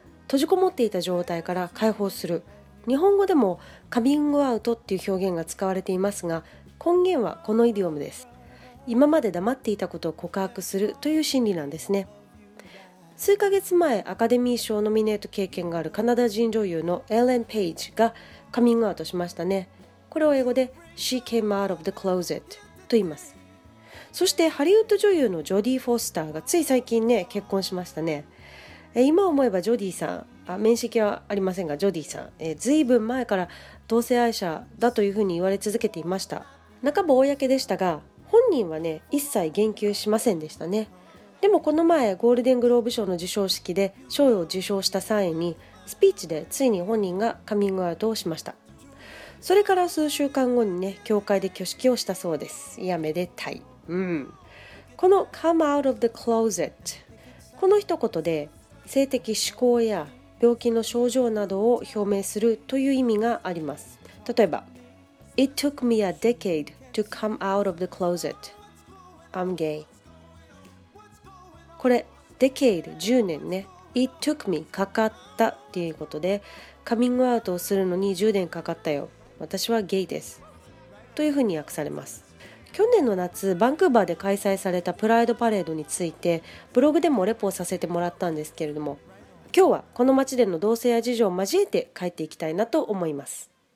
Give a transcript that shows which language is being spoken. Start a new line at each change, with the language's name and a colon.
Japanese: 閉じこもっていた状態から解放する。日本語でもカミングアウトっていう表現が使われていますが、根源はこのイディオムです。今まで黙っていたことを告白するという心理なんですね。数ヶ月前、アカデミー賞ノミネート経験があるカナダ人女優のエレン・ペイジがカミングアウトしましたね。これを英語で
English: She came out of the closet
Japanese: と言います。そしてハリウッド女優のジョディ・フォースターがつい最近ね、結婚しましたね。今思えばジョディさん、面識はありませんがジョディさん、ずいぶん前から同性愛者だというふうに言われ続けていました。半ば公でしたが、本人はね、一切言及しませんでしたね。でもこの前ゴールデングローブ賞の授賞式で賞を受賞した際にスピーチでついに本人がカミングアウトをしました。それから数週間後にね、教会で挙式をしたそうです。いや、めでたい。この
English: Come out of the closet、
Japanese: この一言で性的嗜好や病気の症状などを表明するという意味があります。例えば
English: It took me a decade to come out of the closet. I'm gay.
Japanese: これ、decade、10年ね。
English: It took me、
Japanese: かかったっていうことで、カミングアウトをするのに10年かかったよ。私はゲイです。というふうに訳されます。去年の夏、バンクーバーで開催されたプライドパレードについて、ブログでもレポさせてもらったんですけれども、今日はこの街での同性愛事情を交えて帰っていきたいなと思います。